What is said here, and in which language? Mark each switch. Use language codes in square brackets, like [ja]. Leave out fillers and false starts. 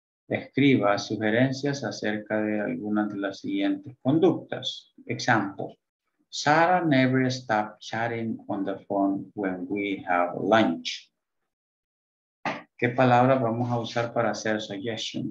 [es] Escriba sugerencias acerca de algunas de las siguientes conductas. [en] Example, Sarah never stops chatting on the phone when we have lunch. [es] ¿Qué palabra vamos a usar para hacer suggestion?